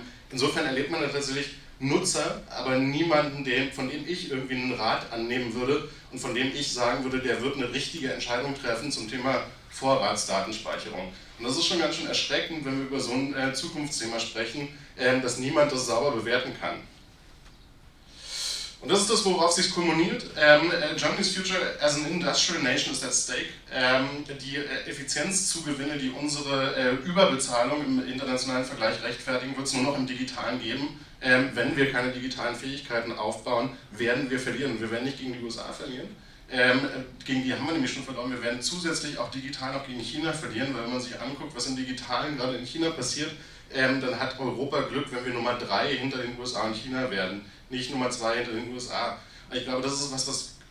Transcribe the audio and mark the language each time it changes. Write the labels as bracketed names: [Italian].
[German] Insofern erlebt man da tatsächlich Nutzer, aber niemanden, von dem ich irgendwie einen Rat annehmen würde und von dem ich sagen würde, der wird eine richtige Entscheidung treffen zum Thema Vorratsdatenspeicherung. Und das ist schon ganz schön erschreckend, wenn wir über so ein Zukunftsthema sprechen, dass niemand das sauber bewerten kann. Und das ist das, worauf sich kulminiert. [English] Germany's future as an industrial nation is at stake. [German] Die Effizienzzugewinne, die unsere Überbezahlung im internationalen Vergleich rechtfertigen, wird es nur noch im Digitalen geben. Wenn wir keine digitalen Fähigkeiten aufbauen, werden wir verlieren. Wir werden nicht gegen die USA verlieren. Gegen die haben wir nämlich schon verloren. Wir werden zusätzlich auch digital noch gegen China verlieren, weil wenn man sich anguckt, was im Digitalen gerade in China passiert, dann hat Europa Glück, wenn wir Nummer 3 hinter den USA und China werden, nicht Nummer 2 hinter den USA. Ich glaube, das ist was